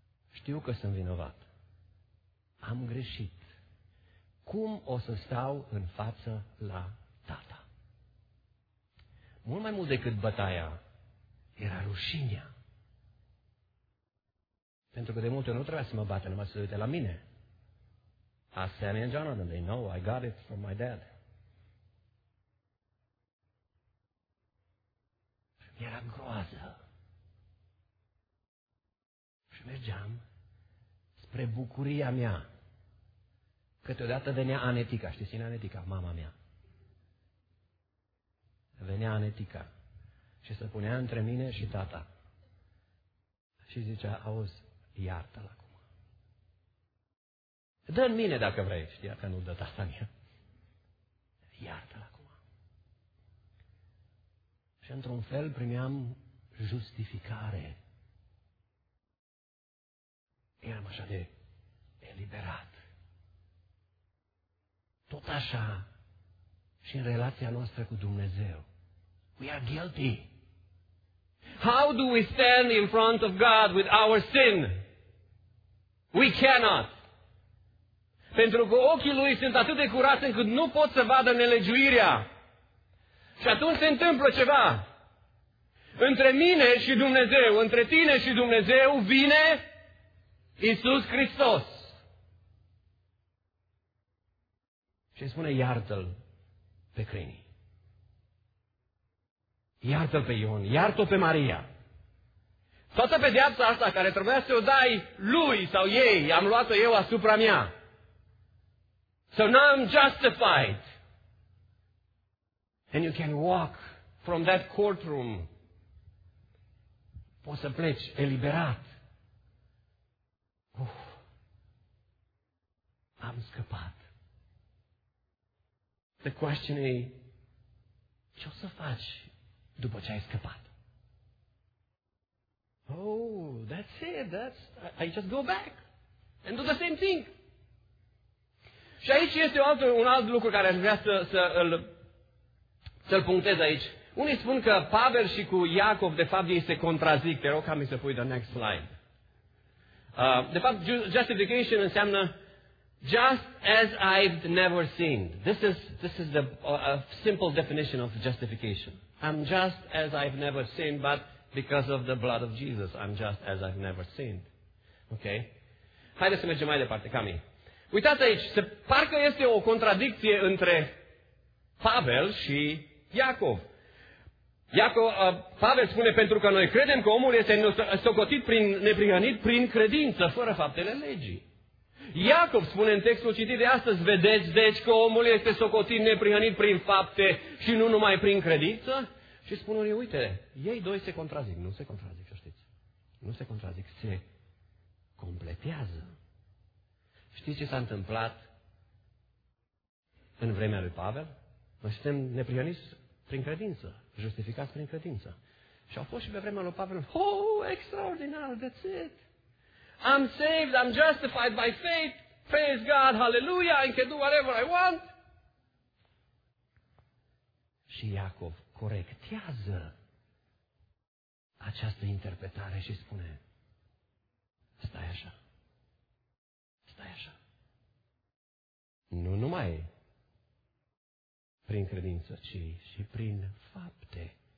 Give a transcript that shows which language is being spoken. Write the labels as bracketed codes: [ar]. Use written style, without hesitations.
[ro] Știu că sunt vinovat. Am greșit. Cum o să stau în față la tata? Mult mai mult decât bătaia, era rușinea. Pentru că de multe ori nu trebuia să mă bată, numai să uite la mine. [en] Ask Sammy and Jonathan, they know I got it from my dad. [ro] Era groază. Și mergeam spre bucuria mea. Câteodată venea Anetica, știți cine Anetica? Mama mea. Venea Anetica și se punea între mine și tata. Și zicea, auzi, iartă-l acum. Dă-n mine dacă vrei, știa că nu dă tata mea. Iartă-l acum. Și într-un fel primeam justificare. Eram așa de eliberat. Tot așa și în relația noastră cu Dumnezeu. [en] We are guilty. How do we stand in front of God with our sin? We cannot. [ro] Pentru că ochii Lui sunt atât de curați încât nu pot să vadă nelegiuirea. Și atunci se întâmplă ceva. Între mine și Dumnezeu, între tine și Dumnezeu vine Iisus Hristos. Și spune, iartă-L pe Crini. Iartă-L pe Ion, iartă-L pe Maria. Toată pedeapsa asta care trebuia să o dai lui sau ei, am luat-o eu asupra mea. [en] So now I'm justified. And you can walk from that courtroom. [ro] Poți să pleci eliberat. Am scăpat. [en] The question is, [ro] ce o să faci după ce ai scăpat? [en] Oh, that's it. I just go back and do the same thing. [ro] Și aici este un alt lucru care aș vrea să-l punctez aici. Unii spun că Pavel și cu Iacov, de fapt, ei se contrazic. Te rog ca mi să pui [en] the next slide. [ro] De fapt, [en] justification [ro] înseamnă [en] just as I've never sinned. This is the simple definition of justification. I'm just as I've never sinned, but because of the blood of Jesus, I'm just as I've never sinned. Okay? [ro] Haideți să mergem mai departe, Cami. Uitați aici, se parcă este o contradicție între Pavel și Iacov. Pavel spune, pentru că noi credem că omul este socotit prin neprihănit prin credință, fără faptele legii. Iacov spune în textul citit de astăzi, vedeți deci că omul este socotit neprihănit prin fapte și nu numai prin credință? Și spun unii, uite, ei doi se contrazic, nu se contrazic, o știți. Nu se contrazic, se completează. Știți ce s-a întâmplat în vremea lui Pavel? Noi suntem neprihăniți prin credință, justificați prin credință. Și au fost și pe vremea lui Pavel, oh, extraordinar, [en] that's it. I'm saved, I'm justified by faith, praise God, hallelujah, I can do whatever I want. [ro] Și Iacov corectează această interpretare și spune, stai așa. Nu numai prin credință, ci și prin fapte.